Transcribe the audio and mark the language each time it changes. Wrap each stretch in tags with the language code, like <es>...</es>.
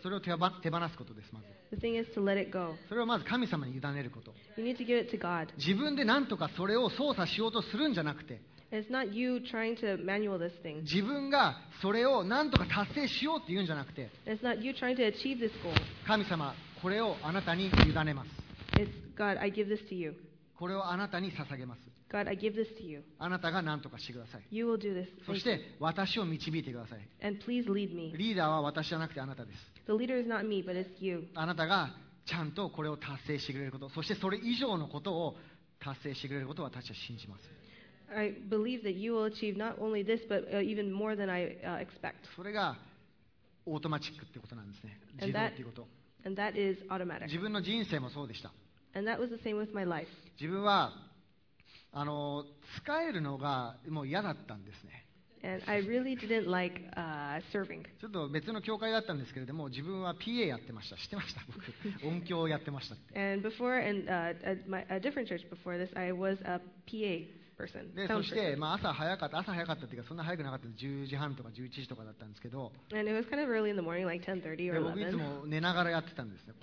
<ja>それを手放すことです、まず。</ja> <en>The thing is to let it go.</en> <ja>それをまず神様に委ねること。</ja> <en>You need to give it to God.</en> <ja>自分で何とかそれを操作しようとするんじゃなくて、</ja> <en>It's not you trying to manual this thing.</en> <ja>自分がそれを何とか達成しようって言うんじゃなくて、</ja> <en>It's not you trying to achieve this goal.</en> <ja>神様、これをあなたに委ねます。</ja> <en>It's God, I give this to you.</en> <ja>これをあなたに捧げます。</ja> <en>God, I give this to you.</en> <ja>あなたが何とかしてください。</ja> <en>You will do this.</en> <ja>そして私を導いてください。</ja> <en>And please lead me.</en> <ja>リーダーは私じゃなくてあなたです。</ja> <en>The leader is not me, but it's you.</en> <ja>あなたがちゃんとこれを達成してくれること、そしてそれ以上のことを達成してくれることを私は信じます。</ja> <en>I believe that you will achieve not only this, but even more than I expect.</en> <ja>それがオートマチックってことなんですね。自動っていうこと。</ja> <en>And that is automatic.</en> <ja>自分の人生もそうでした。</ja> <en>And that was the same with my life.</en> <ja>自分は使えるのがもう嫌だったんですね。</ja> <en>And I really didn't like serving.</en> <ja>ちょっと別の教会だったんですけれども、自分は PA やってました。知ってました。僕音響やってましたって。</ja> <en>And before and a different church before this, I was a PA.</en> <ja>でそして、まあ、朝早かったというかそんな早くなかったので10時半とか11時とかだったんですけど</ja> <en>morning,、like、</en> <ja>で僕いつも寝ながらやってたんですね</ja>